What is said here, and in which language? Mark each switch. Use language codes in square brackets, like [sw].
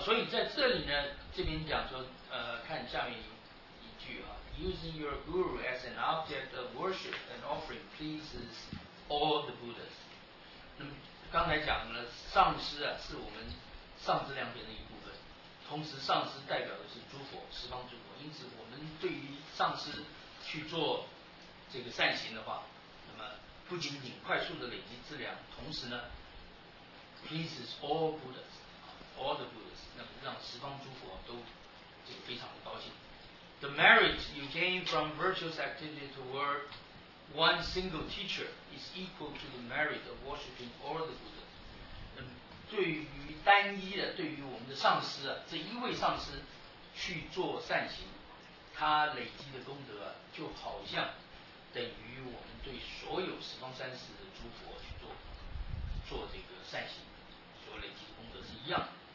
[zh] 所以在这里呢，这边讲说看下面一句啊。 [en] using your guru as an object of worship and offering pleases all the Buddhas. [zh] 那么刚才讲了上师啊，是我们上智量篇的一部分，同时上师代表的是诸佛，十方诸佛，因此我们对于上师去做这个善行的话，那么不仅仅快速的累积资粮，同时呢 [en] pleases all Buddhas all the Buddhas， [zh] 那么让十方诸佛都这个非常的高兴。 [en] The merit you gain from virtuous activity toward one single teacher is equal to the merit of worshipping all the Buddhas。 [zh] 对于单一的，对于我们的上师啊，这一位上师去做善行，他累积的功德、啊、就好像等于我们对所有十方三世的诸佛去做这个善行所累积的功德是一样的。